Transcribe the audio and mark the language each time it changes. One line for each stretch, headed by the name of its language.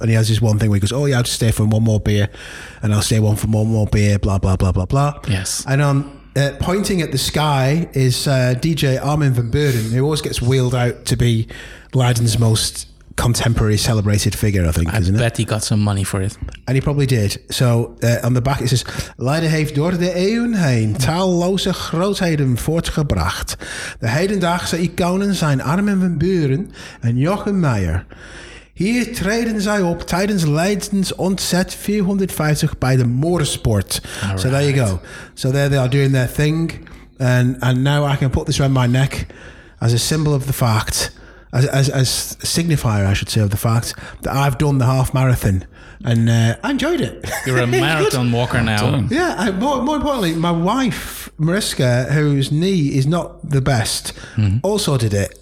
English: And he has this one thing where he goes, I'll just stay for one more beer and I'll stay one for one more beer, blah, blah, blah, blah, blah. Yes. And on pointing at the sky is DJ Armin van Buuren, who always gets wheeled out to be Leiden's most contemporary celebrated figure, I think, isn't it? I bet he got some money for it. And he probably did. So on the back it says,
Dutch: Leiden heeft door de eeuwen heen talloze grootheden voortgebracht. De hedendaagse iconen zijn Armin van Buuren en Jochen Meyer. Hier treden zij op tijdens Leiden's ontzet 450
English: by the
Dutch: Morrisport.
English: So there you go. So there they are doing their thing. And now I can put this around my neck as a symbol of the fact, as a signifier, I should say, of the fact that I've done the half marathon and I enjoyed it. You're a marathon walker now. Yeah. More importantly, my wife, Mariska, whose knee is not the best, also did it.